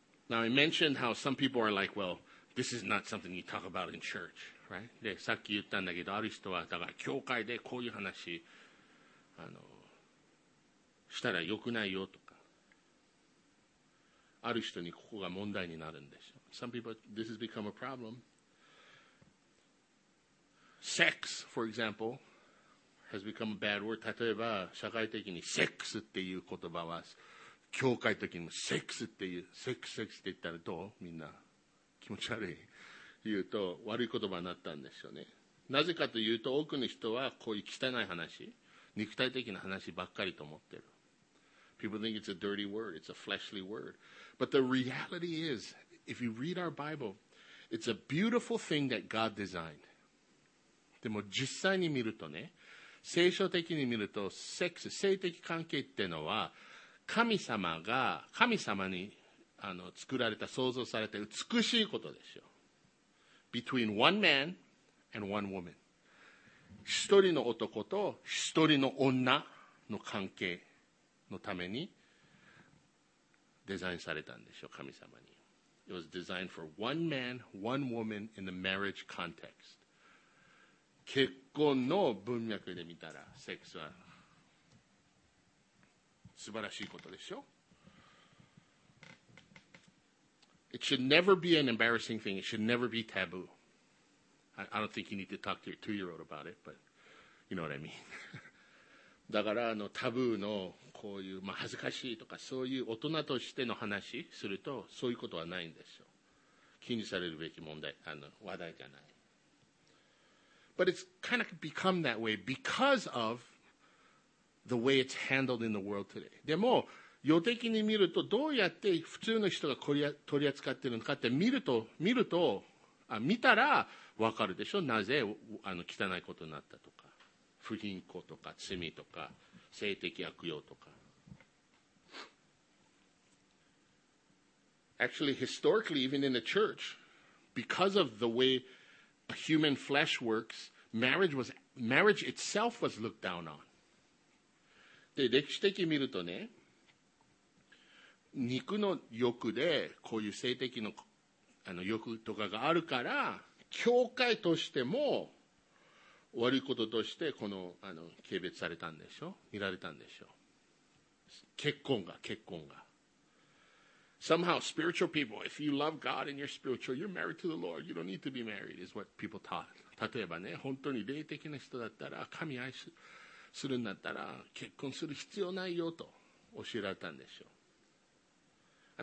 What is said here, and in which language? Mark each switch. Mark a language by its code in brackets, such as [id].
[en] Now I mentioned how some people are like, well, this is not something you talk about in church, right? [ja] で、さっき言ったんだけど、ある人はだから教会でこういう話、したらよくないよとか、ある人にここが問題になるんでしょ。 [en] Some people, this has become a problem. Sex, for example, has become a bad word. [ja] 例えば社会的にセックスっていう言葉は、教会的にセックスっていう、セックスセックスって言ったらどう？みんな気持ち悪い。言うと悪い言葉になったんですよね。なぜかというと多くの人はこういう汚い話、肉体的な話ばっかりと思ってる。 [en] People think it's a dirty word. It's a fleshly word. But the reality is, if you read our Bible, it's a beautiful thing that God designed. [ja] でも実際に見るとね、聖書的に見るとセックス、性的関係ってのは神様が神様に作られた、創造された美しいことですよ。 [en] Between one man and one woman. [ja] 一人の男と一人の女の関係のためにデザインされたんでしょう、神様に。 [en] It was designed for one man, one woman in the marriage context. [ja] 結婚の文脈で見たらセックスは素晴らしいことでしょ。 [en] It should never be an embarrassing thing. It should never be taboo. I don't think you need to talk to your two-year-old about it, but you know what I mean. [ja] だからタブーのこういう、恥ずかしいとかそういう大人としての話するとそういうことはないんですよ。気にされるべき問題、話題じゃない。 [en] But it's kind of become that way because of the way it's handled in the world today. [ja] でも、世的に見ると、どうやって普通の人が取り扱ってるのかって見たら分かるでしょ。なぜ汚いことになったとか、不貧困とか、罪とか、性的悪用とか。 [en] Actually, historically, even in the church, because of the way human flesh works, marriage itself was looked down on. [ja] で、歴史的に見るとね、肉の欲でこういう性的の、欲とかがあるから、教会としても悪いこととしてこの、軽蔑されたんでしょ、見られたんでしょ。結婚が。 [en] Somehow, spiritual people, if you love God and you're spiritual, you're married to the Lord. You don't need to be married, is what people taught. [ja] 例えばね、本当に霊的な人だったら、神愛するんだったら、結婚する必要ないよと教えられたんでしょう。